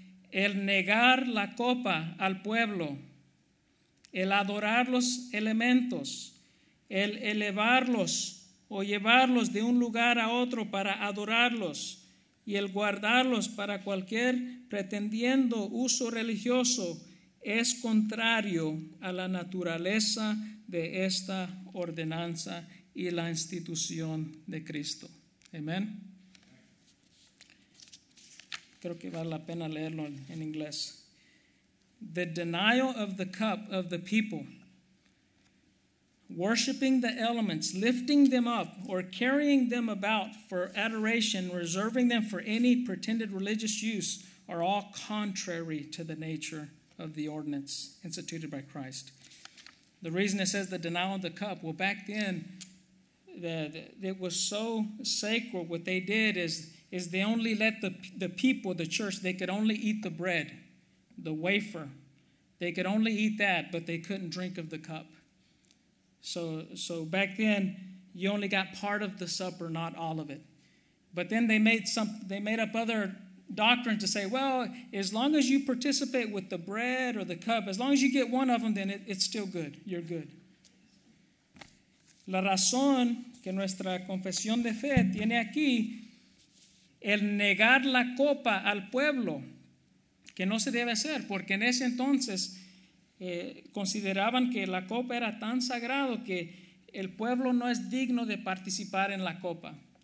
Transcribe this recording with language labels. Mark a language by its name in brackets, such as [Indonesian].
[Spanish] El negar la copa al pueblo, el adorar los elementos, el elevarlos o llevarlos de un lugar a otro para adorarlos, y el guardarlos para cualquier pretendiendo uso religioso, es contrario a la naturaleza de esta ordenanza y la institución de Cristo. Amén. Creo que vale la pena leerlo en inglés. [English] The denial of the cup of the people, worshiping the elements, lifting them up, or carrying them about for adoration, reserving them for any pretended religious use, are all contrary to the nature of the ordinance instituted by Christ. The reason it says the denial of the cup, well, back then, it was so sacred. What they did is they only let the people, the church, they could only eat the bread, the wafer. They could only eat that, but they couldn't drink of the cup. So back then, you only got part of the supper, not all of it. But then they made up other doctrine to say, well, as long as you participate with the bread or the cup, as long as you get one of them, then it's still good. You're good. [Spanish] La razón que nuestra confesión de fe tiene aquí, el negar la copa al pueblo, que no se debe hacer, porque en ese entonces consideraban que la copa era tan sagrado que el pueblo no es digno de participar en la copa.